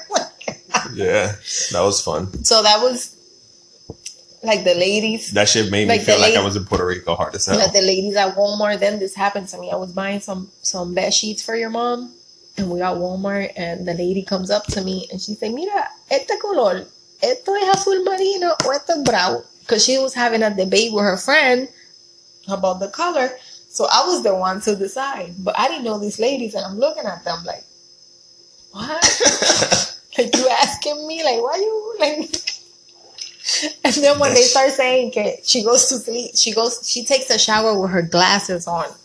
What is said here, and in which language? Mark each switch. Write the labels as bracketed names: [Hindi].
[English] God. Yeah, that was fun. So that was like the ladies. That shit made me like feel like I was in Puerto Rico hard as hell. Like the ladies at Walmart. Then this happened to me. I was buying some bed sheets for your mom. And we got Walmart. And the lady comes up to me. And she's like, [Spanish] mira, este color. Esto es azul marino o esto es bravo. [English] Because she was having a debate with her friend about the color. So I was the one to decide. But I didn't know these ladies. And I'm looking at them like, what? Like, you asking me? Like, why you? Like? And then when they start saying that she goes to sleep, she takes a shower with her glasses on.